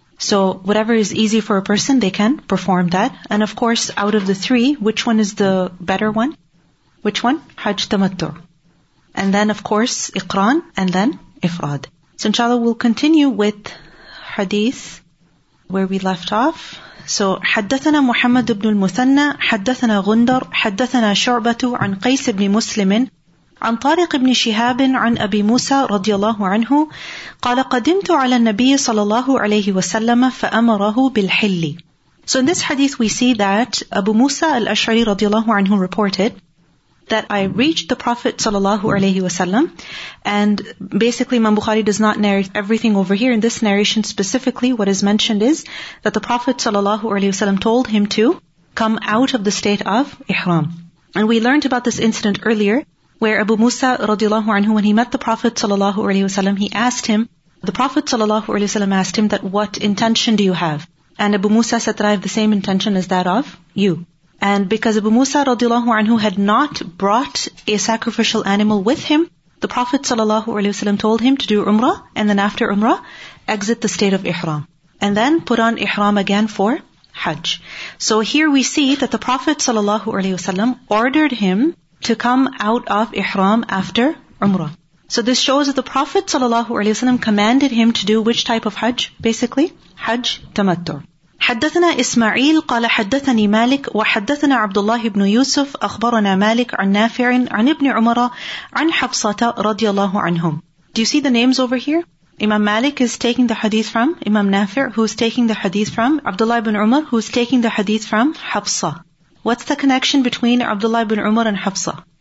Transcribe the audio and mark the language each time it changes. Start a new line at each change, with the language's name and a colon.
English: So whatever is easy for a person, they can perform that. And of course, out of the three, which one is the better one? Which one? Hajj tamattu'. And then of course, iqran, and then ifrad. So inshallah, we'll continue with hadith where we left off.
Arabic: So, حدثنا محمد بن المثنى حدثنا غندر حدثنا شعبة عن قيس بن مسلم عن طارق بن شهاب عن أبي موسى رضي الله عنه قال قدمت على النبي صلى الله عليه وسلم فأمره بالحل.
English: So in this hadith we see that Abu Musa al-Ash'ari
Arabic: رضي الله عنه
English: reported that I reached the Prophet sallallahu alayhi wasallam, and basically Imam Bukhari does not narrate everything over here. In this narration specifically, what is mentioned is that the Prophet sallallahu alayhi wasallam told him to come out of the state of ihram. And we learned about this incident earlier, where Abu Musa radiallahu anhu, when he met the Prophet sallallahu alayhi wasallam, the Prophet sallallahu alayhi wasallam asked him that what intention do you have? And Abu Musa said that I have the same intention as that of you. And because Abu Musa radiallahu anhu had not brought a sacrificial animal with him, the Prophet sallallahu alayhi wasallam told him to do Umrah, and then after Umrah, exit the state of Ihram. And then put on Ihram again for Hajj. So here we see that the Prophet sallallahu alayhi wasallam ordered him to come out of Ihram after Umrah. So this shows that the Prophet sallallahu alayhi wasallam commanded him to do which type of Hajj, basically? Hajj tamattu'.
Arabic: حدثنا إسماعيل قال حدثني مالك وحدثنا عبد الله بن يوسف أخبرنا مالك عن نافع عن ابن عمر عن حفصة رضي الله عنهم.
English: Do you see the names over here? Imam Malik is taking the hadith from Imam Nafi', who is taking the hadith from Abdullah ibn Umar, who is taking the hadith from Hafsa. What's the connection between Abdullah ibn Umar and Hafsa?